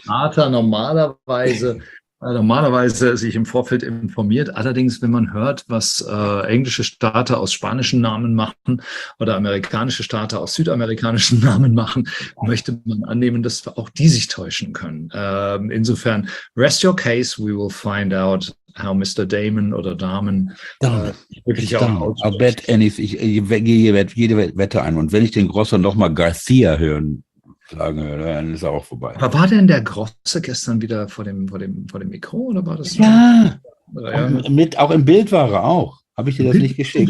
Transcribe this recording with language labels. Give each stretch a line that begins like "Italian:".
German: Vater normalerweise... Normalerweise sich im Vorfeld informiert. Allerdings, wenn man hört, was englische Starter aus spanischen Namen machen oder amerikanische Starter aus südamerikanischen Namen machen, möchte man annehmen, dass auch die sich täuschen können.
English: Insofern, rest your case, we will find out how Mr.
German: Damon oder Damen wirklich auch aussieht.
English: I'll bet anything,
German: ich gehe jede Wette ein. Und wenn ich den Grosser nochmal Garcia hören sagen, dann ist er auch vorbei. Aber war denn der Grosse gestern wieder vor dem Mikro oder war das? Ja, mit auch im Bild war er auch. Habe ich dir das nicht geschickt?